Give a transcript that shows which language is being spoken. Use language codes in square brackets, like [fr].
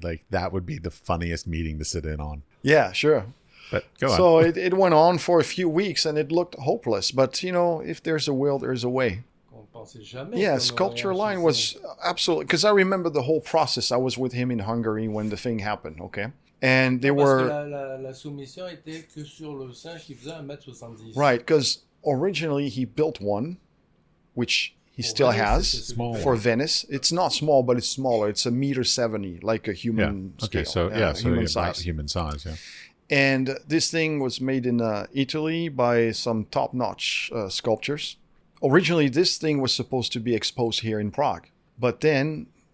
[en] Like, that would be the funniest meeting to sit in on. Yeah, sure. But go on. So it went on for a few weeks and it looked hopeless. But, you know, if there's a will, there's a way. Yeah, sculpture line was absolutely, because I remember the whole process. I was with him in Hungary when the thing happened, okay? And they were... [fr] La soumission était que sur le singe qui faisait 1m70. [en] Right, because originally he built one, which he still has, for Venice. It's not small, but it's smaller. It's 1.70 meters, like a human scale. Okay, so human size. Human size, yeah. And this thing was made in Italy by some top-notch sculptors. Originally, this thing was supposed to be exposed here in Prague. But then